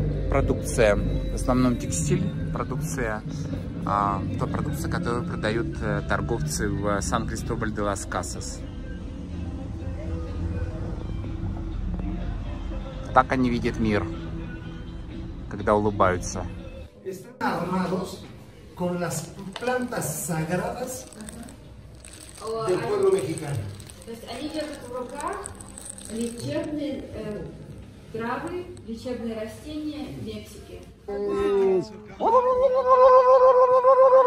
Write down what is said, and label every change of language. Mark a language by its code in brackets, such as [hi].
[ru] Продукция, в основном текстиль, продукция, то продукция, которую продают торговцы в Сан-Кристобаль-де-Лас-Касас. Так они видят мир, когда улыбаются. [es] Están armados con las plantas sagradas del pueblo mexicano. [ru] То есть они держат в руках лечебные травы, лечебные растения Мексики.